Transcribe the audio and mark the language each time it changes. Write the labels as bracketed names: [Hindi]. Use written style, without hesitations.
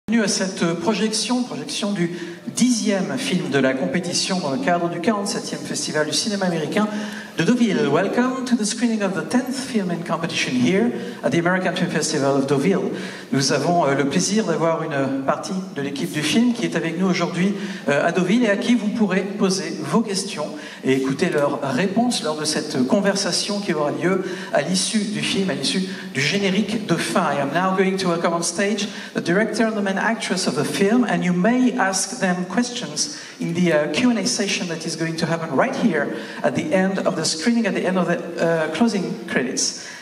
[French] Bienvenue à cette projection du 10e film de la compétition dans le cadre du 47e Festival du cinéma américain de Deauville. [English] Welcome to the screening of the 10th film in competition here at the American Film Festival of Deauville. [French] Nous avons le plaisir d'avoir une partie de l'équipe du film qui est avec nous aujourd'hui à Deauville et à qui vous pourrez poser vos questions et écouter leurs réponses lors de cette conversation qui aura lieu à l'issue du film, à l'issue du générique de fin. [English] I am now going to welcome on stage the director and the main actress of the film, and you may ask them questions in the Q&A session that is going to happen right here at the end of the screening, at the end of the closing credits.